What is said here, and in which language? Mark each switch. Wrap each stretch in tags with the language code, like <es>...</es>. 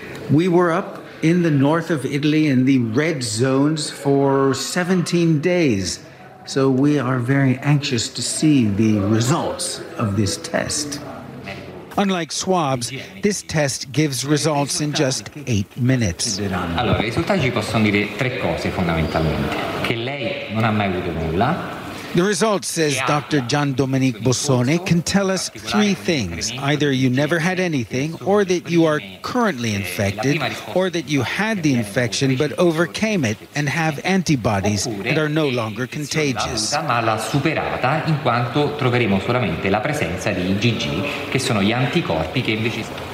<en>We were up in the north of Italy in the red zones for 17 days. So we are very anxious to see the results of this test. Unlike swabs, this test gives results in just 8 minutes.</en> <it>Allora, i risultati possono dire tre cose fondamentalmente. Che lei non ha mai avuto nulla.</it> <en>The results, says Dr. Gian Domenico Bossone, can tell us three things. Either you never had anything, or that you are currently infected, or that you had the infection but overcame it and have antibodies that are no longer contagious.</en> <it>Ma l'ha superata in quanto troveremo solamente la presenza di IgG, che sono gli anticorpi che invece...</it>